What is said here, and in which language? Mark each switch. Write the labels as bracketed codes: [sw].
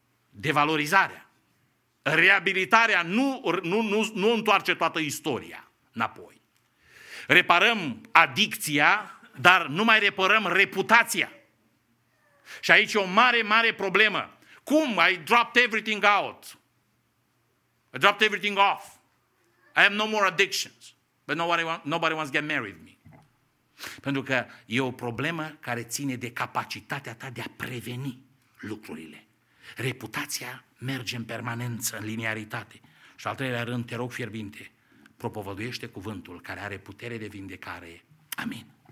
[ro] Devalorizarea, reabilitarea nu întoarce toată istoria înapoi. Reparăm adicția, dar nu mai reparăm reputația. Și aici e o mare, mare problemă. Cum? [en] I dropped everything out. I dropped everything off. I have no more addictions. But nobody wants to get married with me. [ro] Pentru că e o problemă care ține de capacitatea ta de a preveni lucrurile. Reputația merge în permanență, în linearitate. Și al treilea rând, te rog fierbinte, propovăduiește cuvântul care are putere de vindecare. Amin.